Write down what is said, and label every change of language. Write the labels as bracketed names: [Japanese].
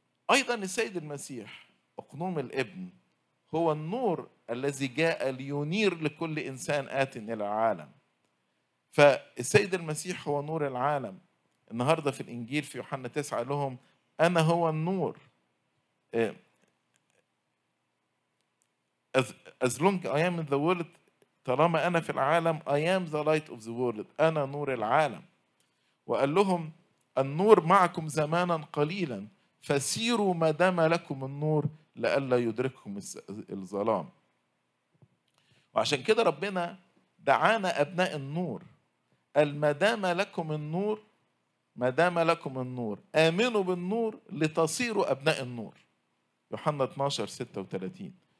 [Arabic] أيضا السيد المسيح أقنوم الإبن هو النور الذي جاء لينير لكل إنسان آت إلى العالم. فالسيد المسيح هو نور العالم. النهاردة في الإنجيل في يوحنا 9 لهم أنا هو النور. [English] As long as I am in the world، [Arabic] طالما أنا في العالم، [English] I am the light of the world، [Arabic] أنا نور العالم. وقال لهم النور معكم زمانا قليلا فسيروا ما دام لكم النور لألا يدرككم الظلام. وعشان كده ربنا دعانا أبناء النور، قال ما دام لكم النور، ما دام لكم النور آمنوا بالنور لتصيروا أبناء النور، يوحنا 12:36.